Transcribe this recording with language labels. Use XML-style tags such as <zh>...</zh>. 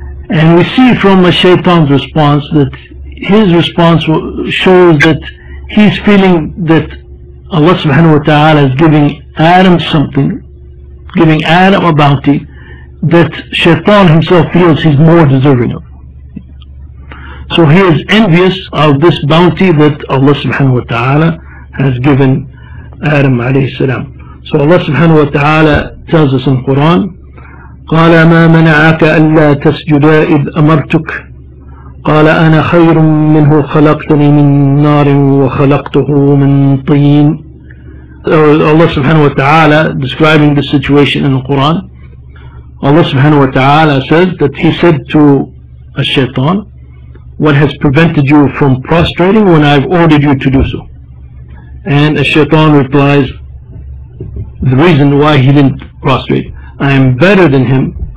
<en>And we see from the shaitan's response that his response shows that he's feeling that Allah subhanahu wa ta'ala is giving Adam something, giving Adam a bounty that shaitan himself feels he's more deserving of. So he is envious of this bounty that Allah subhanahu wa ta'ala has given Adam alayhi salam. So Allah subhanahu wa ta'ala tells us in the Quran,</en> <ar>قال ما منعك ألا تسجد إذ أمرتك قال أنا خير منه خلقتني من نار وخلقته من طين.</ar> <en>Allah subhanahu wa ta'ala describing the situation in the Quran, Allah subhanahu wa ta'ala says that he said to al-shaytan, what has prevented you from prostrating when I've ordered you to do so? And al-shaytan replies, the reason why he didn't prostrate, I am better than him.</en>